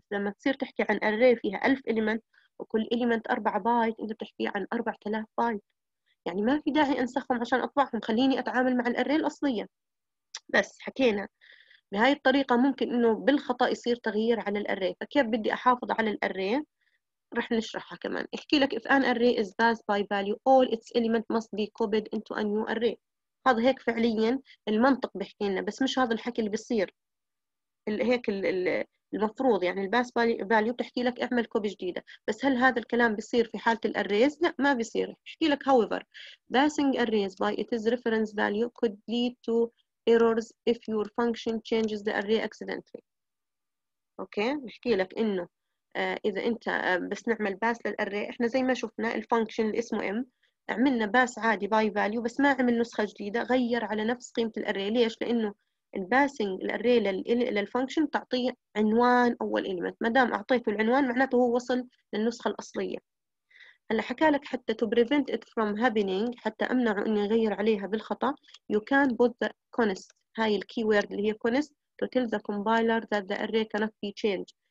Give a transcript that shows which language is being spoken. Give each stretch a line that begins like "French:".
Arabic: لما تصير تحكي عن أري فيها 1000 إليمنت وكل إليمنت 4 بايت، أنت بتحكي عن 4000 بايت، يعني ما في داعي أنسخهم عشان أطبعهم، خليني أتعامل مع الأري الأصلية. بس حكينا بهاي الطريقة ممكن إنه بالخطأ يصير تغيير على الأري، فكيف بدي أحافظ على الأري؟ رح نشرحها كمان. احكي لك
English: if an array is passed by value all its element must be copied into a new array.
Arabic: هذا هيك فعليا المنطق بحكي لنا، بس مش هذا الحكي اللي بيصير، هيك المفروض يعني الباس فاليو بتحكي لك اعمل كوبي جديده، بس هل هذا الكلام بيصير في حاله الاريز؟ لا ما بيصير. بحكي لك
English: however passing arrays by its reference value could lead to errors if your function changes the array accidentally.
Arabic: اوكي بحكي لك انه اذا انت بس نعمل باس للاري، احنا زي ما شفنا الفانكشن اللي اسمه ام عملنا باس عادي باي فاليو بس ما عمل نسخه جديده غير على نفس قيمه الاري. ليش؟ لانه الباسنج الاري للفانكشن تعطيه عنوان اول اليمنت، ما دام اعطيته العنوان معناته هو وصل للنسخه الاصليه. هلا حكى لك حتى
English: to prevent it from happening،
Arabic: حتى امنعه اني اغير عليها بالخطا،
English: you can put the const،
Arabic: هاي الكي وورد اللي هي
English: const to tell the compiler that the array cannot be changed.